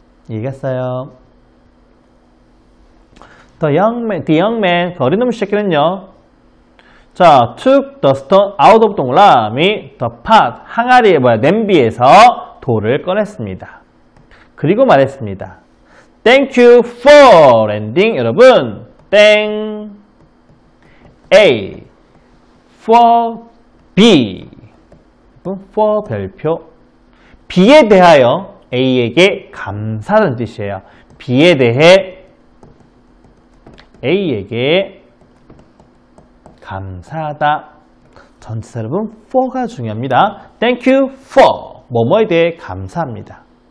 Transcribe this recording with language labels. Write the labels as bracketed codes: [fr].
[ko] 이해했어요? [en] The young man, [ko] 그 어린 놈 새끼는요. 자, [en] took the stone out of [ko] 동그라미, [en] the pot, [ko] 항아리에, 뭐야, 냄비에서 돌을 꺼냈습니다. 그리고 말했습니다. [en] Thank you for landing, 여러분. Thank A for B, 4 별표. [ko] B에 대하여 A에게 감사하는 뜻이에요. B에 대해 A에게 감사하다. 전체 여러분, 4가 중요합니다. [en] Thank you for [ko] 뭐뭐에 대해 감사합니다.